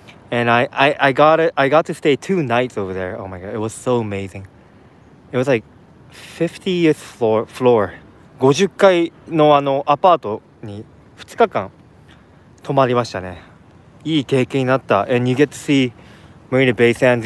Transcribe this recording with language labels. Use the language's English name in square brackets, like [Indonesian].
[English] And I got to stay 2 nights over there. Oh my god, it was so amazing. It was like 50th floor. [Japanese] 50階のあのアパートに2日間泊まりましたね。いい経験になった。 [English] And you get to see Marina Bay Sands.